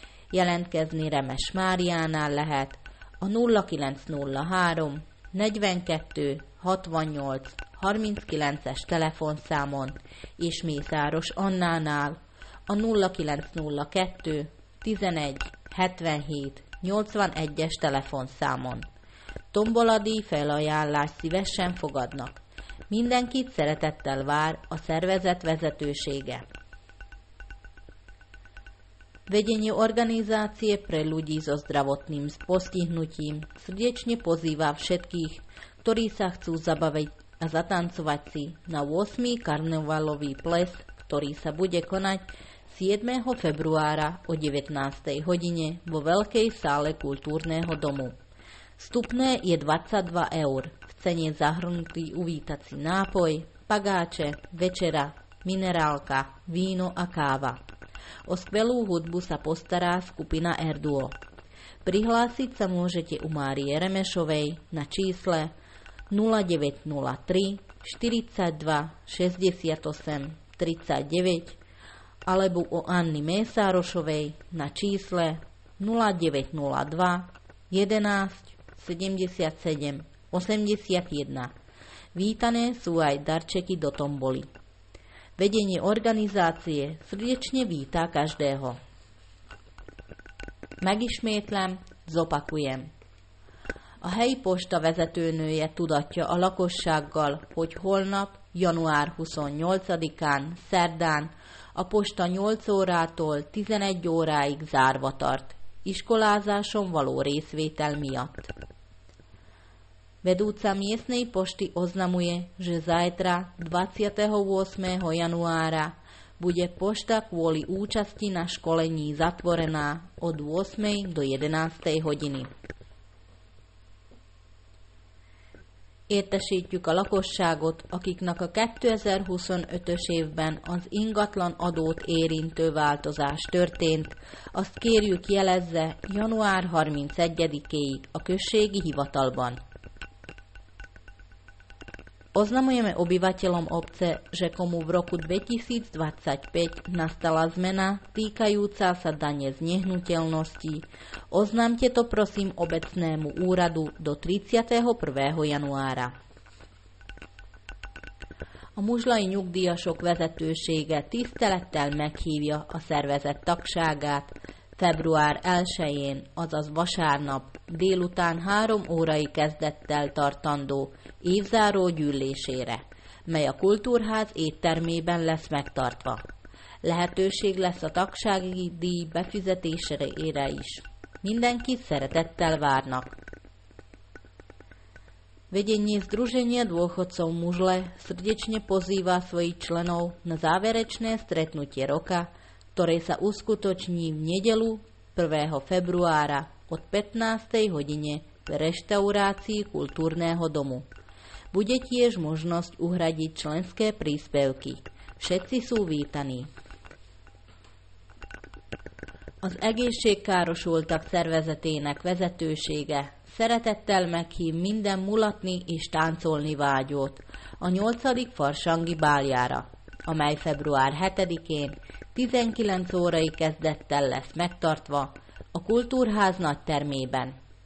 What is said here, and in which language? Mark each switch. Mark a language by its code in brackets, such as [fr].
[hu] Jelentkezni Remes Máriánál lehet a 0903 42 68 39-es telefonszámon és Mészáros Annánál a 0902 11 77 81-es telefonszámon. Tombolati felajánlást szívesen fogadnak. Mindenkit szeretettel vár a szervezet vezetősége. [sk] Vedenie organizácie pre ľudí so zdravotným postihnutím srdečne pozýva všetkých, ktorí sa chcú zabaviť a zatancovať si na 8. karnevalový ples, ktorý sa bude konať 7. februára o 19. hodine vo Veľkej sále kultúrneho domu. Vstupné je 22 eur. Cene zahrnutý uvítací nápoj, pagáče, večera, minerálka, víno a káva. O skvelú hudbu sa postará skupina Erduo. Prihlásiť sa môžete u Márie Remešovej na čísle 0903 42 68 39 alebo u Anny Mészárosovej na čísle 0902 11 77 81. Vítané sú aj darčeky do tomboli. Vedenie organizácie srdečne víta každého. [hu] Megismétlem, [sk] zopakujem. [hu] A helyi posta vezetőnője tudatja a lakossággal, hogy holnap, január 28-án, szerdán, a posta 8 órától 11 óráig zárva tart, iskolázáson való részvétel miatt. [sk] Vedúca miestnej pošty oznamuje, že zajtra 28. januára bude pošta kvôli účasti na školení zatvorená od 8. do 11. hodiny. [hu] Értesítjük a lakosságot, akiknek a 2025-ös évben az ingatlan adót érintő változás történt, azt kérjük jelezze január 31-éig a községi hivatalban. [sk] Oznamujeme obyvateľom obce, že komu v roku 2025 nastala zmena týkajúca sa dane z nehnuteľnosti. Oznámte to prosím obecnému úradu do 31. januára. [hu] A muzslai nyugdíjasok vezetősége tisztelettel meghívja a szervezet tagságát február 1-én, azaz vasárnap, délután 3 órai kezdettel tartandó évzáró gyűlésére, mely a Kultúrház éttermében lesz megtartva. Lehetőség lesz a tagsági díj befizetésére is. Mindenki szeretettel várnak. [sk] Vedenie Združenia dôchodcov Mužle srdečne pozýva svojich členov na záverečné stretnutie roka, ktoré sa uskutoční v nedeľu 1. februára od 15. hodine v reštaurácii Kultúrneho domu. Bude tiež možnosť uhradiť členské príspevky. Všetci sú vítaní. [hu] Az egészségkárosultak szervezetének vezetősége szeretettel meghív minden mulatni és táncolni vágyót a 8. farsangi báljára, amely február 7-én 19 órai kezdettel lesz megtartva a Kultúrház nagy termében.